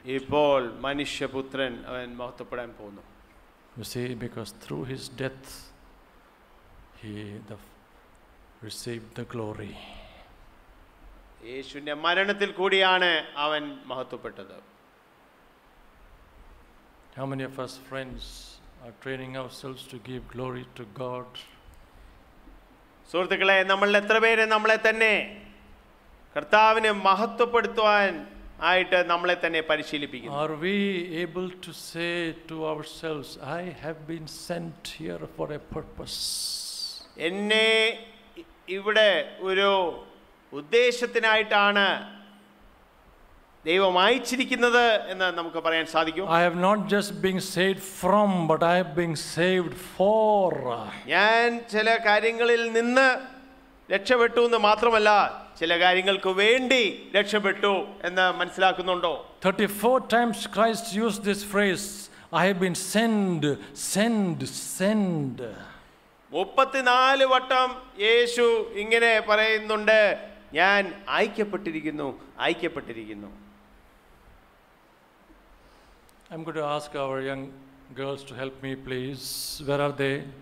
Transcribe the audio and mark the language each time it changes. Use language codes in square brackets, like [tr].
[ml] ഇപ്പോൾ മനുഷ്യപുത്രൻ അവൻ മഹത്വപ്പെടാൻ പോകുന്നു [en] You see, because through his death, he received the glory. [ml] യേശുവിന്റെ മരണത്തിൽ കൂടിയാണ് അവൻ മഹത്വപ്പെട്ടത്. [en] How many of us friends are training ourselves to give glory to God? [ml] സുഹൃത്തുക്കളെ, നമ്മൾ എത്ര പേരെ നമ്മളെ തന്നെ കർത്താവിനെ മഹത്വപ്പെടുത്തുവാൻ ആയിട്ട് നമ്മളെ തന്നെ പരിശീലിപ്പിക്കുന്നു [en] are we able to say to ourselves I have been sent here for a purpose [ml] എന്നെ ഇവിടെ ഒരു ഉദ്ദേശത്തിനായിട്ടാണ് ദൈവമായിച്ചിരിക്കുന്നത് എന്ന് നമുക്ക് പറയാൻ സാധിക്കും. [en] I have not just been saved from, but I have been saved for. [ml] ഞാൻ ചില കാര്യങ്ങളിൽ നിന്ന് രക്ഷപ്പെട്ടു എന്ന് മാത്രമല്ല, ചില കാര്യങ്ങൾക്ക് വേണ്ടി രക്ഷപ്പെട്ടു എന്ന് മനസ്സിലാക്കുന്നുണ്ടോ? [en] 34 times Christ used this phrase, I have been sent, sent, sent. [ml] 34 വട്ടം യേശു ഇങ്ങനെ പറയുന്നുണ്ട്, ഞാൻ ഐക്യപ്പെട്ടിരിക്കുന്നു, ഐക്യപ്പെട്ടിരിക്കുന്നു. [en] I'm going to ask our young girls to help me, please. Where are they?